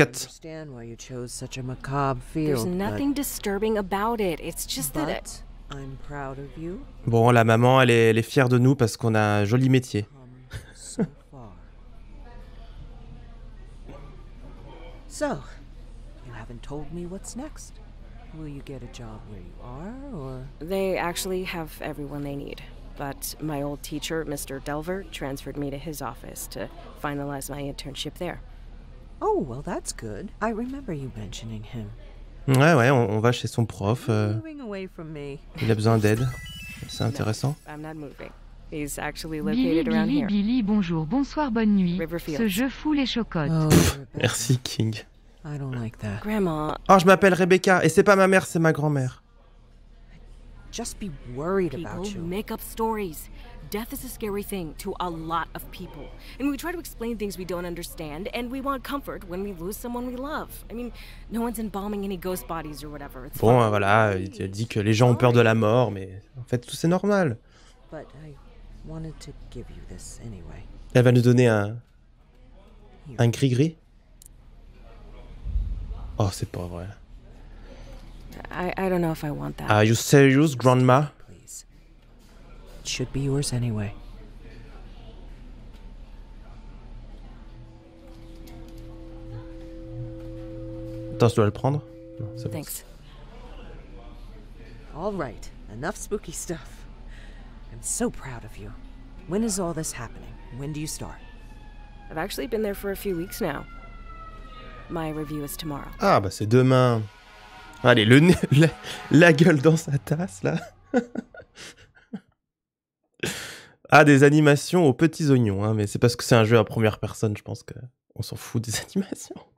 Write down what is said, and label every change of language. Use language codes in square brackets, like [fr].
[en] I understand why you chose such a macabre field. There's nothing disturbing about it. It's just that but I'm proud of you. [fr] Bon, la maman, elle est fière de nous parce qu'on a un joli métier. [en] So, you haven't told me what's next. Will you get a job where you are or they actually have everyone they need. But my old teacher, Mr. Delver, transferred me to his office to finalize my internship there. Oh, well, that's good. I remember you mentioning him. [fr] Ouais, ouais, on va chez son prof. [en] Moving away from me. [fr] Il a besoin d'aide. C'est intéressant. [en] No, I'm not moving. He's actually located Billy, around Billy, here. [fr] Billy, bonjour, bonsoir, bonne nuit. [en] Riverfield. [fr] Ce jeu fout les chocottes. Oh, merci, King. [en] I don't like that. Grandma. [fr] Oh, je m'appelle Rebecca, et c'est pas ma mère, c'est ma grand-mère. [en] Just be worried about you. People make up stories. Death is a scary thing to a lot of people. And we try to explain things we don't understand, and we want comfort when we lose someone we love. I mean, no one's embalming any ghost bodies or whatever. It's [fr] bon, voilà, il dit que les gens ont peur de la mort, mais en fait, tout c'est normal. [en] But I wanted to give you this anyway. [fr] Elle va nous donner un gris-gris. Oh, c'est pas vrai. [en] I don't know if I want that. Are you serious, Grandma? Please. It should be yours anyway. [fr] Attends, tu dois le prendre? [en] Thanks. All right, enough spooky stuff. I'm so proud of you. When is all this happening? When do you start? I've actually been there for a few weeks now. My review is tomorrow. [fr] Ah, bah c'est demain. Allez, le nez, la gueule dans sa tasse, là. Ah, des animations aux petits oignons, hein, mais c'est parce que c'est un jeu à première personne, je pense qu'on s'en fout des animations.